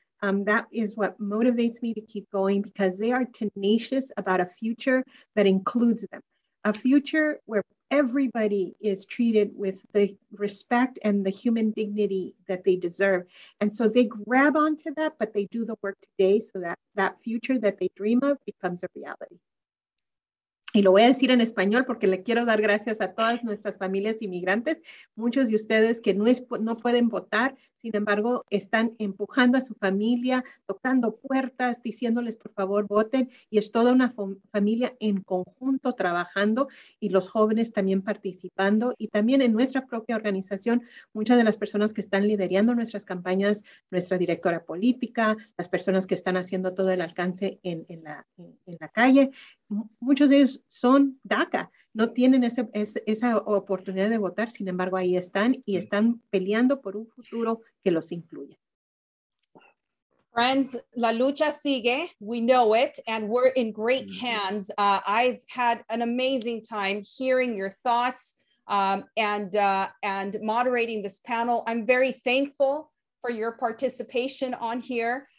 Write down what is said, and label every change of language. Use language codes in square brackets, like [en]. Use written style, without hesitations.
[en] That is what motivates me to keep going, because they are tenacious about a future that includes them, a future where everybody is treated with the respect and the human dignity that they deserve. And so they grab onto that, but they do the work today so that that future that they dream of becomes a reality. [es] Y lo voy a decir en español porque le quiero dar gracias a todas nuestras familias inmigrantes, muchos de ustedes que no pueden votar, sin embargo, están empujando a su familia, tocando puertas, diciéndoles por favor voten, y es toda una familia en conjunto trabajando y los jóvenes también participando. Y también en nuestra propia organización, muchas de las personas que están liderando nuestras campañas, nuestra directora política, las personas que están haciendo todo el alcance en la calle, muchos de ellos son DACA, no tienen esa oportunidad de votar, sin embargo ahí están y están peleando por un futuro que los incluya. [en] Friends, [es] la lucha sigue, [en] we know it, and we're in great hands. I've had an amazing time hearing your thoughts and moderating this panel. I'm very thankful for your participation on here.